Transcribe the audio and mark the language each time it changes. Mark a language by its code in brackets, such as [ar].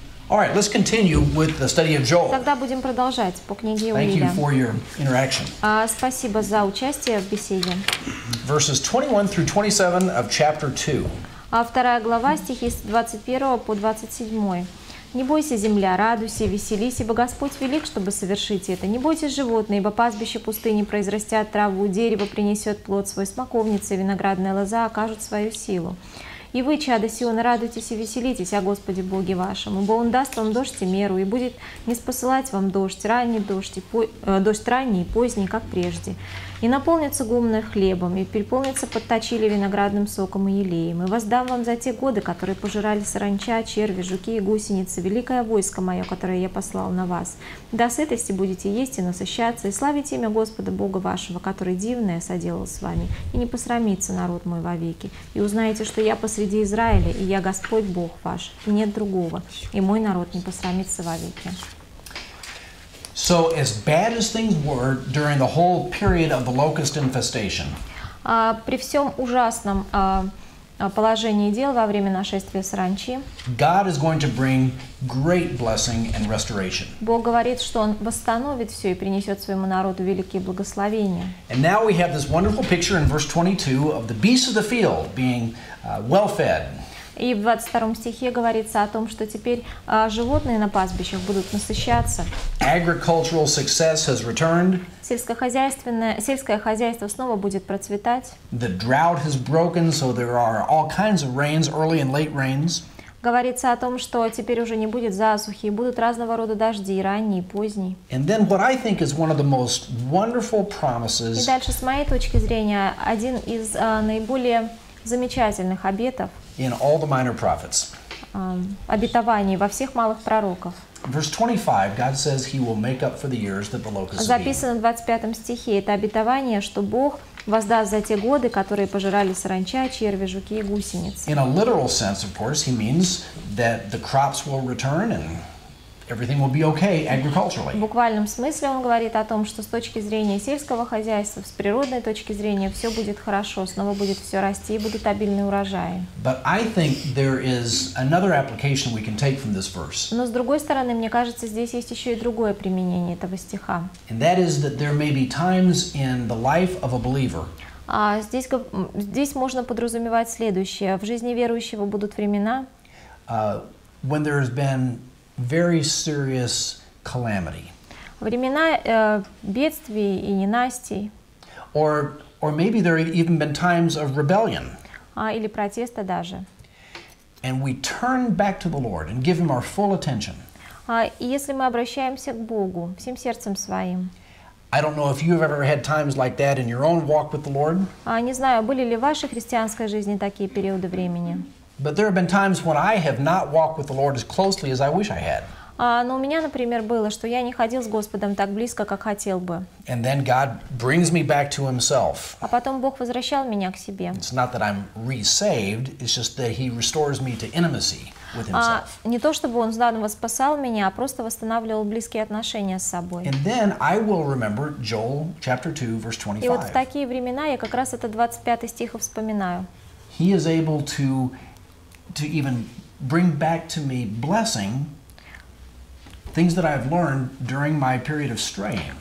[en] All right, let's continue with the study of Joel. [ru] Тогда будем продолжать по книге Иуда. [en] Thank you for your interaction. [ru] Спасибо за участие в беседе. [en] Verses 21 through 27 of chapter 2. [ru] А вторая глава, стихи с 21 по 27. «Не бойся, земля, радуйся, веселись, ибо Господь велик, чтобы совершить это. Не бойтесь, животные, ибо пастбище пустыни произрастят траву, дерево принесет плод свой, смоковница и виноградная лоза окажут свою силу. И вы, чада Сиона, радуйтесь и веселитесь о Господе Боге вашем, ибо Он даст вам дождь и меру, и будет не спосылать вам дождь, ранний дождь, дождь ранний и поздний, как прежде». И наполнится гумно хлебом, и переполнится подточили виноградным соком и елеем. И воздам вам за те годы, которые пожирали саранча, черви, жуки и гусеницы, великое войско мое, которое я послал на вас. До сытости будете есть и насыщаться, и славить имя Господа Бога вашего, который дивное соделал с вами, и не посрамится народ мой вовеки. И узнаете, что я посреди Израиля, и я Господь Бог ваш, и нет другого, и мой народ не посрамится вовеки». [en] So as bad as things were during the whole period of the locust infestation. [ru] При всем ужасном положении дел во время нашествия саранчи. [en] God is going to bring great blessing and restoration. [ru] Бог говорит, что он восстановит все и принесет своему народу великие благословения. [en] And now we have this wonderful picture in verse 22 of the beasts of the field being well fed. [ru] И в 22 стихе говорится о том, что теперь животные на пастбищах будут насыщаться. [en] Agricultural success has returned. [ru] Сельское хозяйство снова будет процветать. [en] The drought has broken, so there are all kinds of rains, early and late rains. [ru] Говорится о том, что теперь уже не будет засухи, будут разного рода дожди, ранние и поздние. [en] And then what I think is one of the most wonderful promises. [ru] И дальше, с моей точки зрения, один из наиболее замечательных обетов. [en] In all the minor prophets. [ru] Обетований во всех малых пророках. [en] Verse 25, God says He will make up for the years that the locusts. [ru] Записано в 25 стихе это обетование, что Бог воздаст за те годы, которые пожирали саранча, черви, жуки и гусеницы. [en] In a literal sense, of course, He means that the crops will return and everything will be okay agriculturally. [ru] В буквальном смысле он говорит о том, что с точки зрения сельского хозяйства, с природной точки зрения, все будет хорошо, снова будет все расти и будут обильные урожаи. [en] But I think there is another application we can take from this verse. [ru] Но с другой стороны, мне кажется, здесь есть еще и другое применение этого стиха. [en] And that is that there may be times in the life of a believer. [ru] Здесь можно подразумевать следующее: в жизни верующего будут времена, [en] when there has been very serious calamity. [ru] Времена бедствий и ненастий. [en] Or maybe there have even been times of rebellion. [ru] Или протеста даже. [en] And we turn back to the Lord and give Him our full attention. [ru] И если мы обращаемся к Богу всем сердцем своим. [en] I don't know if you've ever had times like that in your own walk with the Lord. [ru] Не знаю, были ли в вашей христианской жизни такие периоды времени. [en] But there have been times when I have not walked with the Lord as closely as I wish I had. [ru] Но у меня, например, было, что я не ходил с Господом так близко, как хотел бы. [en] And then God brings me back to Himself. [ru] А потом Бог возвращал меня к себе. [en] It's not that I'm re-saved, it's just that He restores me to intimacy with Himself. [ru] Не то чтобы Он заново спасал меня, а просто восстанавливал близкие отношения с собой. [en] And then I will remember Joel chapter 2, verse 25. [ru] И вот в такие времена я как раз это 25 стих вспоминаю. [en] He is able to even bring back to me blessing things that I've learned during my period of straying.